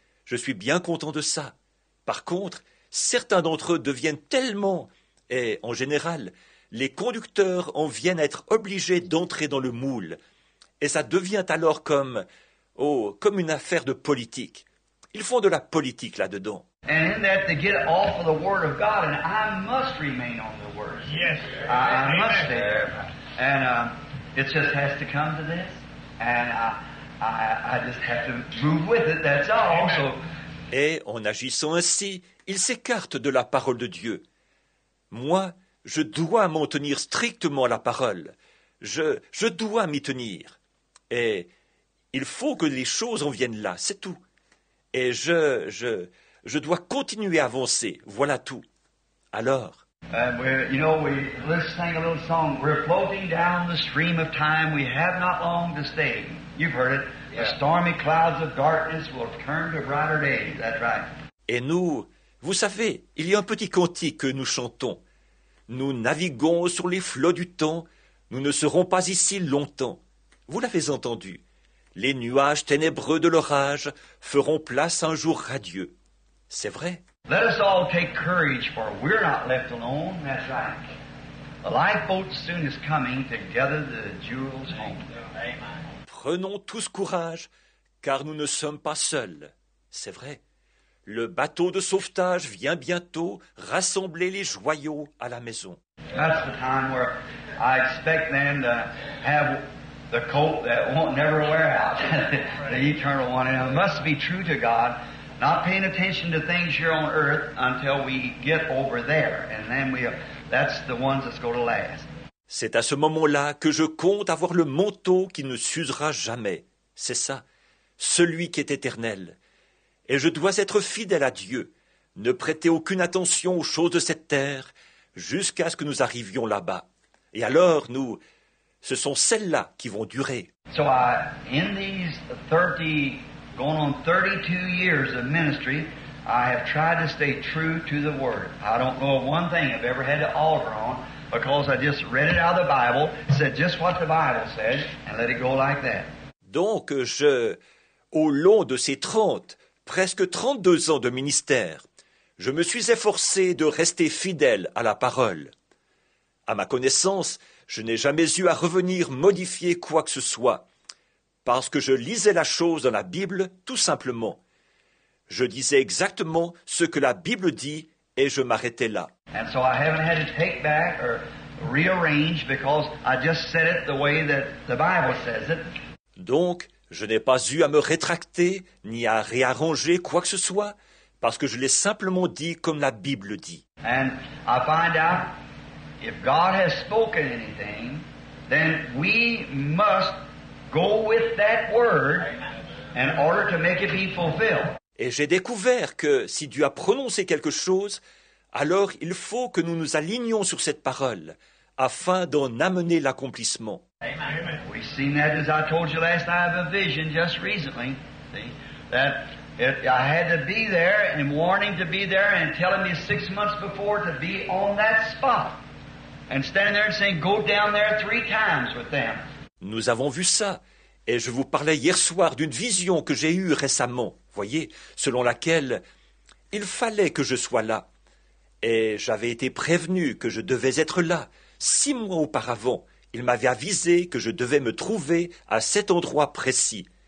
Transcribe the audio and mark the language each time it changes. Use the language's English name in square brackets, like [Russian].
[French] Je suis bien content de ça. Par contre, certains d'entre eux deviennent tellement, et en général, les conducteurs en viennent à être obligés d'entrer dans le moule. Et ça devient alors comme une affaire de politique. Ils font de la politique là-dedans. [English] And in that, to get off of the Word of God, and I must remain on the Word. Yes, I must stay there. And it just has to come to this. And I just have to move with it, that's all. Amen. So, [French] et en agissant ainsi, il s'écarte de la parole de Dieu. Moi, je dois m'en tenir strictement à la parole. Je dois m'y tenir. Et il faut que les choses en viennent là, c'est tout. Et je dois continuer à avancer, voilà tout. Alors, [English] let's sing a little song. We're floating down the stream of time. We have not long to stay. You've heard it. The stormy clouds of darkness will turn to brighter days. That's right. [French] Et nous, vous savez, il y a un petit cantique que nous chantons. Nous naviguons sur les flots du temps. Nous ne serons pas ici longtemps. Vous l'avez entendu. Les nuages ténébreux de l'orage feront place un jour radieux. C'est vrai. [English] Let us all take courage, for we're not left alone. That's right. The lifeboat soon is coming to gather the jewels home. Amen. [French] Prenons tous courage, car nous ne sommes pas seuls. C'est vrai. Le bateau de sauvetage vient bientôt rassembler les joyaux à la maison. [English] That's the time where I expect them to have the coat that won't never wear out. The eternal one. And it must be true to God. Not paying attention to things here on earth until we get over there. And then that's the ones that's going to last. [French] C'est à ce moment-là que je compte avoir le manteau qui ne s'usera jamais. C'est ça, celui qui est éternel. Et je dois être fidèle à Dieu, ne prêter aucune attention aux choses de cette terre jusqu'à ce que nous arrivions là-bas. Et alors, nous, ce sont celles-là qui vont durer. [English] So in these 30, going on 32 years of ministry, I have tried to stay true to the Word. I don't know of one thing I've ever had to alter on, because I just read it out of the Bible, said just what the Bible says, and let it go like that. [French] Donc, au long de ces 30, presque 32 ans de ministère, je me suis efforcé de rester fidèle à la parole. À ma connaissance, je n'ai jamais eu à revenir modifier quoi que ce soit, parce que je lisais la chose dans la Bible tout simplement. Je disais exactement ce que la Bible dit et je m'arrêtais là. [English] And so I haven't had to take back or rearrange because I just said it the way that the Bible says it. [French] Donc, je n'ai pas eu à me rétracter ni à réarranger quoi que ce soit parce que je l'ai simplement dit comme la Bible dit. [English] And I find out if God has spoken anything, then we must go with that word in order to make it be fulfilled. [French] Et j'ai découvert que si Dieu a prononcé quelque chose, alors il faut que nous nous alignions sur cette parole afin d'en amener l'accomplissement. [English] Amen. We've seen that, as I told you last night, I have a vision just recently. See, that I had to be there and warning to be there and telling me 6 months before to be on that spot and stand there and saying, go down there 3 times with them. [French] Nous avons vu ça, et je vous parlais hier soir d'une vision que j'ai eue récemment, voyez, selon laquelle il fallait que je sois là. Et j'avais été prévenu que je devais être là. 6 mois auparavant, il m'avait avisé que je devais me trouver à cet endroit précis.